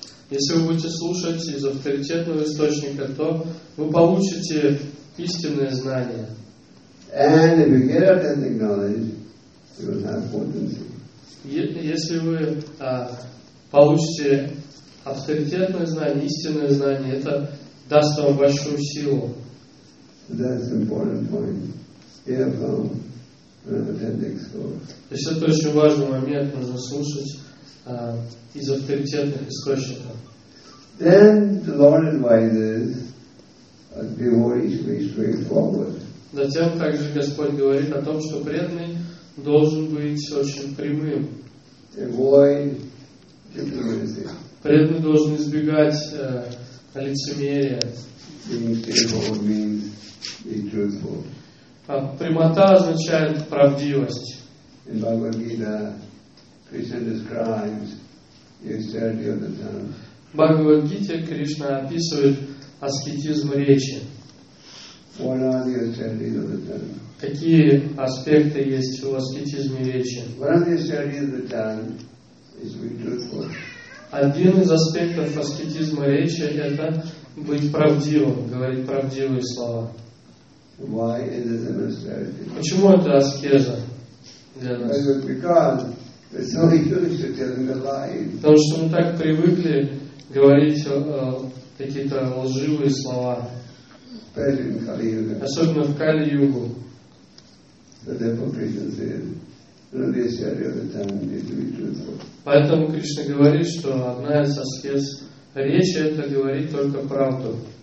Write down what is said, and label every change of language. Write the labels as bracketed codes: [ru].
[ru] если вы будете слушать из авторитетного источника, то вы получите истинное знание. [en] And if you get authentic knowledge, you will have potency. [ru] Если вы получите авторитетное знание, истинное знание, это даст вам большую силу. [en] That's an important point. Hear from an authentic source. [ru] То есть это очень важный момент, нужно слушать из авторитетных источников. [en] Then the Lord advises a devotee to be straightforward. [ru] Затем также Господь говорит о том, что преданный должен быть очень прямым. [en] Avoid diplomacy. [ru] Преданный должен избегать лицемерия. [en] Being straightforward means being truthful. [ru] Прямота означает правдивость. [en] In Bhagavad Gita, Krishna describes the austerity of the tongue. [ru] Bhagavad Gita, Krishna описывает аскетизм речи. [en] What are the austerities of the tongue? [ru] Какие аспекты есть в аскетизме речи? [en] One of the austerities of the tongue is being truthful. [ru] Один из аспектов аскетизма речи – это быть правдивым, говорить правдивые слова. [en] Why is it an austerity? [ru] Почему это аскеза для нас? [en] Because it's only foolish to tell them the lies. [ru] Потому что мы так привыкли говорить какие-то лживые слова. Особенно в Кали-югу. [en] The hypocrisy is [ru] Поэтому Кришна говорит, что одна из аскез речи — это говорить только правду.